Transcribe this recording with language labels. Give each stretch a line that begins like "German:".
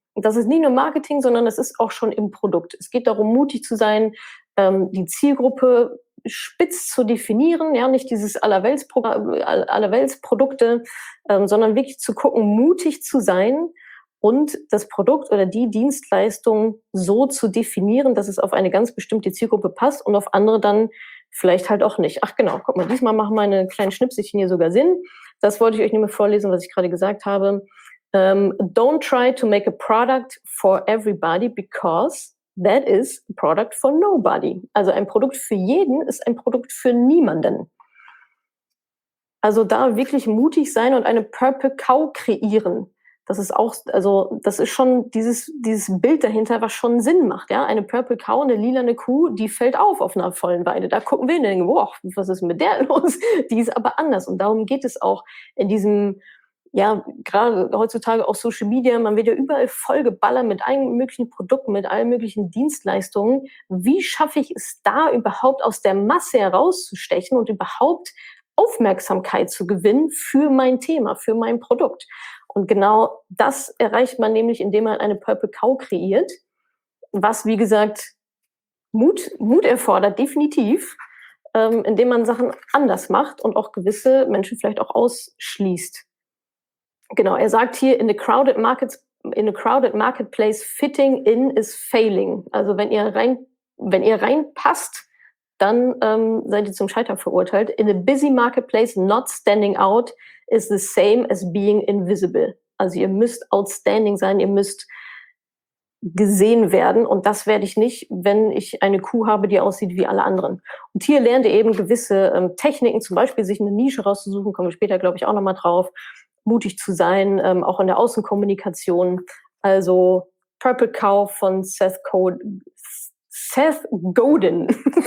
German: Das ist nicht nur Marketing, sondern es ist auch schon im Produkt. Es geht darum, mutig zu sein, die Zielgruppe spitz zu definieren, ja, nicht dieses Allerweltsprodukte, sondern wirklich zu gucken, mutig zu sein und das Produkt oder die Dienstleistung so zu definieren, dass es auf eine ganz bestimmte Zielgruppe passt und auf andere dann vielleicht halt auch nicht. Ach genau, guck mal, diesmal machen meine kleinen Schnipselchen hier sogar Sinn. Das wollte ich euch nicht mehr vorlesen, was ich gerade gesagt habe.
English: Don't try to make a product for everybody because that is a product for nobody.
German: Also ein Produkt für jeden ist ein Produkt für niemanden. Also da wirklich mutig sein und eine Purple Cow kreieren. Das ist auch, also das ist schon dieses Bild dahinter, was schon Sinn macht. Ja, eine Purple Cow, eine lilane Kuh, die fällt auf einer vollen Weide. Da gucken wir und denken, boah, was ist mit der los? Die ist aber anders. Und darum geht es auch in diesem, ja, gerade heutzutage auch Social Media, man wird ja überall vollgeballert mit allen möglichen Produkten, mit allen möglichen Dienstleistungen. Wie schaffe ich es da überhaupt aus der Masse herauszustechen und überhaupt Aufmerksamkeit zu gewinnen für mein Thema, für mein Produkt? Und genau das erreicht man nämlich, indem man eine Purple Cow kreiert, was, wie gesagt, Mut erfordert, definitiv, indem man Sachen anders macht und auch gewisse Menschen vielleicht auch ausschließt. Genau, er sagt hier,
English: in a crowded marketplace, fitting in is failing.
German: Also wenn ihr reinpasst, dann seid ihr zum Scheitern verurteilt.
English: In a busy marketplace, not standing out is the same as being invisible.
German: Also ihr müsst outstanding sein, ihr müsst gesehen werden. Und das werde ich nicht, wenn ich eine Kuh habe, die aussieht wie alle anderen. Und hier lernt ihr eben gewisse Techniken, zum Beispiel sich eine Nische rauszusuchen, kommen wir später, glaube ich, auch nochmal drauf. Mutig zu sein, auch in der Außenkommunikation. Also Purple Cow von Seth Godin.